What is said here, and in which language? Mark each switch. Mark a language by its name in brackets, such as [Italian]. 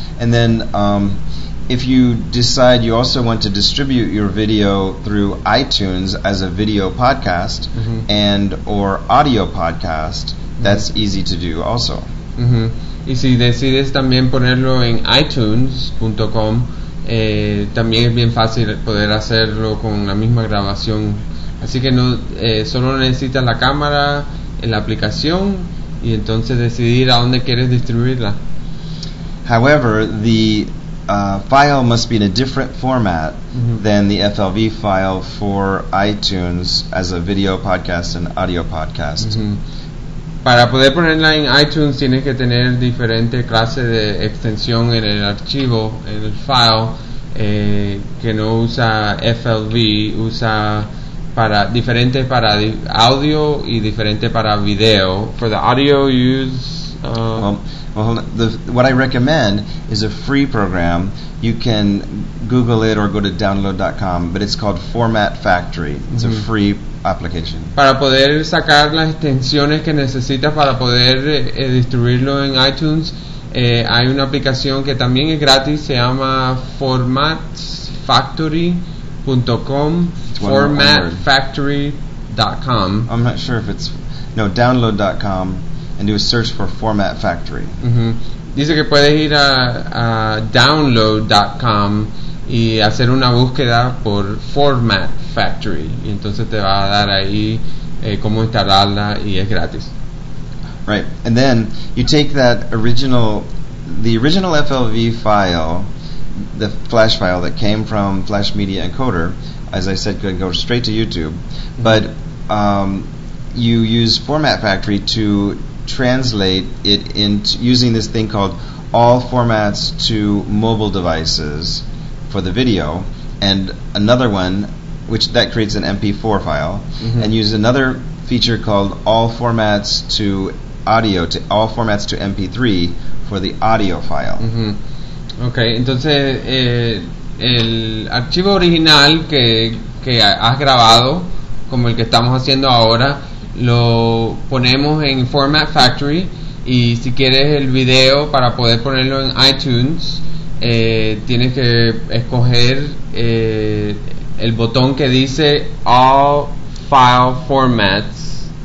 [English] And then, if you decide you also want to distribute your video through iTunes as a video podcast, mm-hmm. and or audio podcast, that's easy to do also. Mm-hmm. [Spanish] Y si decides también ponerlo en iTunes.com, también es bien fácil poder hacerlo con la misma grabación. Así que no, solo necesitas la cámara, la aplicación, y entonces decidir a dónde quieres distribuirla. [English] However, the file must be in a different format, mm-hmm. than the FLV file for iTunes as a video podcast and audio podcast. Mm-hmm. [Spanish] Para poder ponerla en iTunes tienes que tener diferente clase de extensión en el archivo, en el file, que no usa FLV, usa para diferente para audio y diferente para video. [English] For the audio you use... What I recommend is a free program. You can Google it or go to download.com, but it's called Format Factory. It's mm-hmm. a free application. [Spanish] Para poder sacar las extensiones que necesitas para poder distribuirlo en iTunes, hay una aplicación que también es gratis, se llama formatfactory.com, formatfactory.com. [English] I'm not sure if it's... No, download.com. And do a search for Format Factory. Mm-hmm. [Spanish] Dice que puedes ir a download.com y hacer una búsqueda por Format Factory. Y entonces te va a dar ahí cómo instalarla y es gratis. [English] Right. And then you take that original, the original FLV file, the Flash file that came from Flash Media Encoder, as I said, could go straight to YouTube. Mm-hmm. But you use Format Factory to translate it into using this thing called All Formats to Mobile Devices for the video, and another one which that creates an MP4 file, mm-hmm. and use another feature called All Formats to Audio, to All Formats to MP3 for the audio file. Mm-hmm. [Spanish] Okay, entonces el archivo original que has grabado, como el que estamos haciendo ahora, lo ponemos en Format Factory, y si quieres el video para poder ponerlo en iTunes, tienes que escoger el botón que dice All File Formats